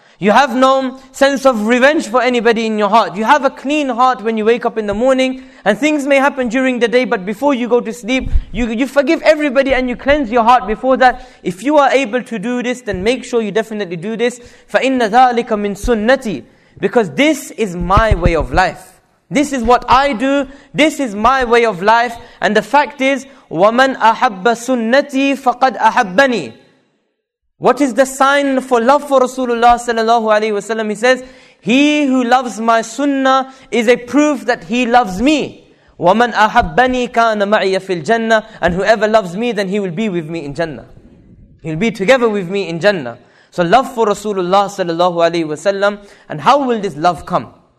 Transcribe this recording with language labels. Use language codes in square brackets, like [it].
[en] You have no sense of revenge for anybody in your heart. You have a clean heart when you wake up in the morning, and things may happen during the day, but before you go to sleep, you forgive everybody and you cleanse your heart before that. If you are able to do this, then make sure you definitely do this. [ar] فَإِنَّ ذَٰلِكَ مِنْ سُنَّتِي. [en] Because this is my way of life. This is what I do. This is my way of life. And the fact is, [ar] وَمَنْ أَحَبَّ سُنَّتِي فَقَدْ أَحَبَّنِي. [en] What is the sign for love for Rasulullah sallallahu alaihi wasallam? He says, he who loves my sunnah is a proof that he loves me. [ar] وَمَنْ أَحَبَّنِي كَانَ مَعِيَ فِي الْجَنَّةِ. [en] And whoever loves me, then he will be with me in Jannah. He'll be together with me in Jannah. So love for Rasulullah sallallahu alaihi wasallam. And how will this love come?